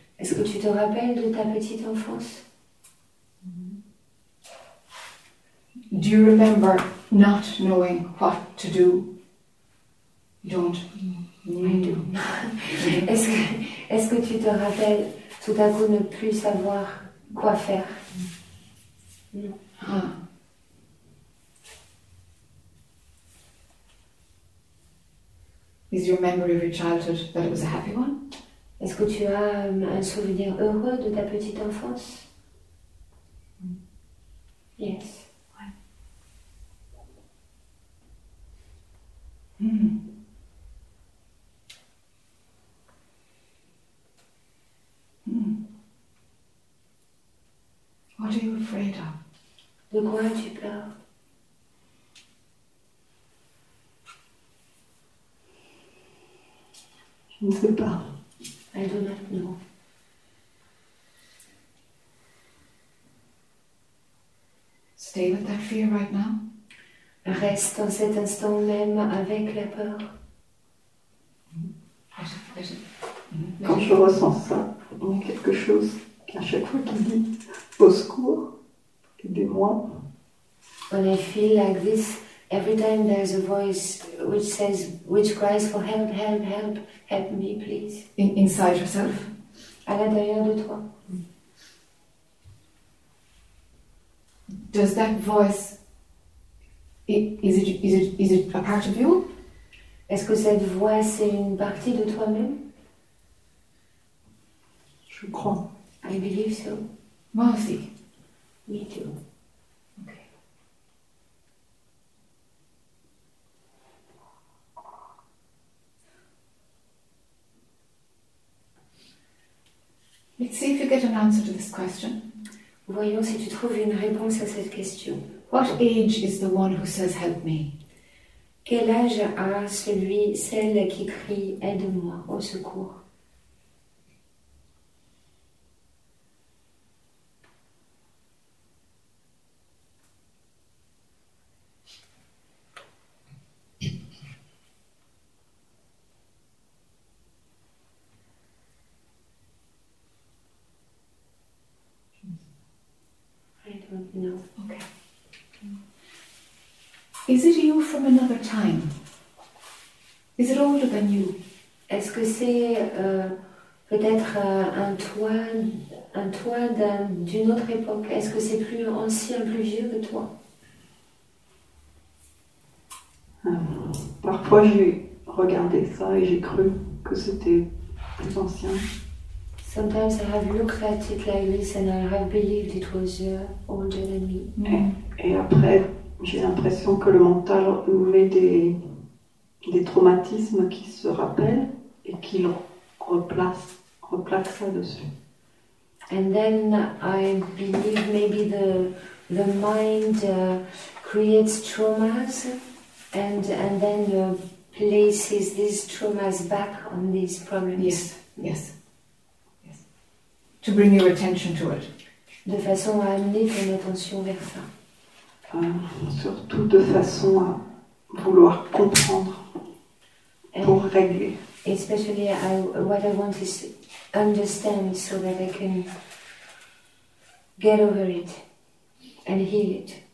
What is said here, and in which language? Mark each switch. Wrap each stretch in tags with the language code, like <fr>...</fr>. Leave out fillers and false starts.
<fr>Est-ce que tu te rappelles de ta petite enfance?</fr> <en>Do you remember not knowing what to do? You don't. I do.</en> <fr>Est-ce que tu te rappelles tout à coup ne plus savoir quoi faire? Ah.</fr> <en>Is your memory of your childhood that it was a happy one?</en> <fr>Est-ce que tu as un souvenir heureux de ta petite enfance?</fr> <en>Mm. Yes. What are you afraid of?</en> <fr>De quoi as-tu peur? Je ne sais pas.</fr> <en>I do not know. Stay with that fear right now.</en> <fr>Reste en cet instant même avec la peur. Quand je ressens ça, il y a quelque chose qu'à chaque fois qu'il dit au secours, aidez-moi.</fr> <en>When I feel like this, every time there's a voice which says, which cries for help, help, help, help me, please. Inside yourself.</en> <fr>À l'intérieur de toi.</fr> <en>Does that voice, is it a part of you?</en> <fr>Est-ce que cette voix, c'est une partie de toi-même? Je crois.</fr> <en>I believe so.</en> <fr>Moi aussi.</fr> <en>Me too. Let's see if you get an answer to this question.</en> <fr>Voyons si tu trouves une réponse à cette question.</fr> <en>What age is the one who says help me?</en> <fr>Quel âge a celle qui crie aide-moi, au secours?</fr> <en>don't know. Okay. Is it you from another time? Is it older than you?</en> <fr>Est-ce que c'est peut-être un toi d'une autre époque? Est-ce que c'est plus ancien, plus vieux que toi? Parfois j'ai regardé ça et j'ai cru que c'était plus ancien.</fr> <en>Sometimes I have looked at it like this and I have believed it was older than me.</en> <fr>Et après, j'ai l'impression que le mental nous met des traumatismes qui se rappellent et qui replace ça dessus.</fr> <en>And then I believe maybe the mind creates traumas and then places these traumas back on these problems. Yes, yes. To bring your attention to it.</en> <fr>De façon à amener ton attention vers ça. Surtout de façon à vouloir comprendre pour régler.</fr> <en>Especially what I want is understand so that I can get over it and heal it.</en>